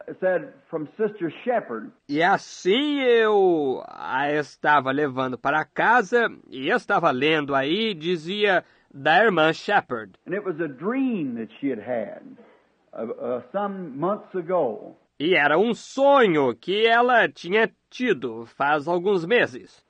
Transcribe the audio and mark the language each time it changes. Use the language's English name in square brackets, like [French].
[English] It said, from Sister Shepherd. [Portuguese] E assim eu a estava levando para casa e estava lendo aí, dizia, da irmã Shepherd. [English] And it was a dream that she had had. some months ago. [Portuguese] E era sonho que ela tinha tido faz alguns meses.